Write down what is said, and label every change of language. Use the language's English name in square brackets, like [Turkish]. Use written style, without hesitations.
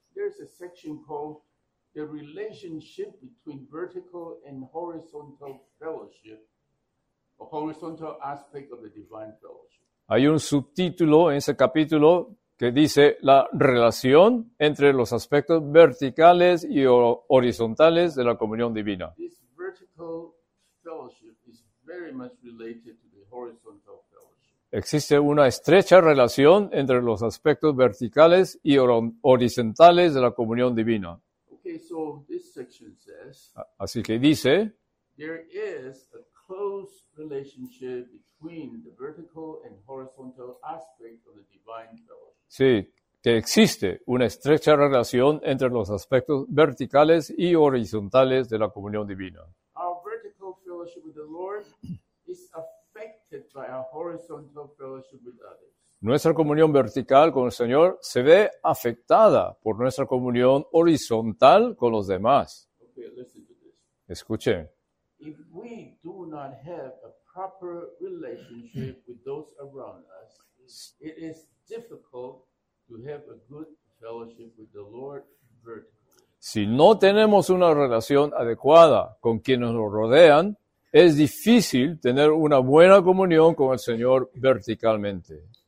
[English] there's a section called The Relationship Between Vertical and Horizontal Fellowship, a Horizontal Aspect of the Divine Fellowship. [Spanish] Hay un subtítulo en ese capítulo que dice la relación entre los aspectos verticales y horizontales de la comunión divina. [English] This vertical fellowship is very much related to the horizontal fellowship. [Spanish] Existe una estrecha relación entre los aspectos verticales y horizontales de la comunión divina. [English] Okay, so this section says, [Spanish] así que dice, [English] there is a close relationship between the vertical and horizontal aspect of the divine fellowship. [Spanish] Sí, que existe una estrecha relación entre los aspectos verticales y horizontales de la comunión divina. [English] Our vertical fellowship with the Lord is affected by our horizontal fellowship with others. [Spanish] Nuestra comunión vertical con el Señor se ve afectada por nuestra comunión horizontal con los demás. [English] Okay, listen to this. [Spanish] Escuchen. [English] If we do not have a proper relationship with those around us, it is difficult to have a good fellowship with the Lord vertically. [Spanish] Si no tenemos una relación adecuada con quienes nos rodean, es difícil tener una buena comunión con el Señor verticalmente.